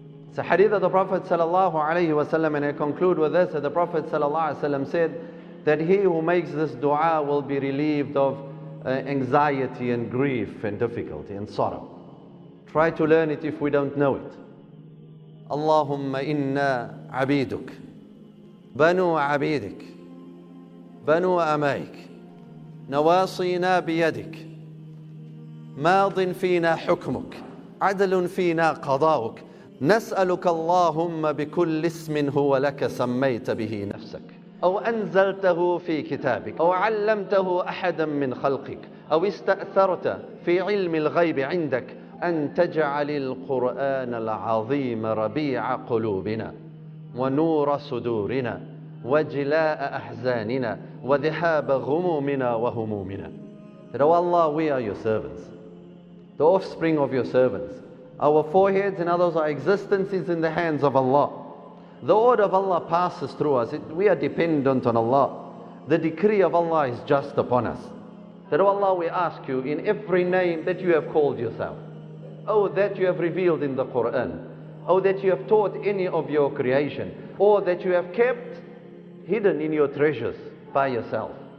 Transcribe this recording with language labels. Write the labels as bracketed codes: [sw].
[en] It's a hadith of the Prophet sallallahu alayhi wa sallam, and I conclude with this, that the Prophet sallallahu alayhi wa sallam said that he who makes this dua will be relieved of anxiety and grief and difficulty and sorrow. Try to learn it if we don't know it. [ar] Allahumma inna abiduk, banu abidik, banu amaik, نواصينا بيدك ماض فينا حكمك عدل فينا قضاؤك نسألك اللهم بكل اسم هو لك سميت به نفسك أو أنزلته في كتابك أو علمته أحدا من خلقك أو استأثرت في علم الغيب عندك أن تجعل القرآن العظيم ربيع قلوبنا ونور صدورنا وجلاء أحزاننا وذهاب غمومنا وهمومنا. [en] That, O Allah, we are your servants, the offspring of your servants. Our foreheads and others, our existence is in the hands of Allah. The order of Allah passes through us. We are dependent on Allah. The decree of Allah is just upon us. That, O Allah, we ask you in every name that you have called yourself, oh, that you have revealed in the Quran, oh, that you have taught any of your creation, or that you have kept hidden in your treasures by yourself.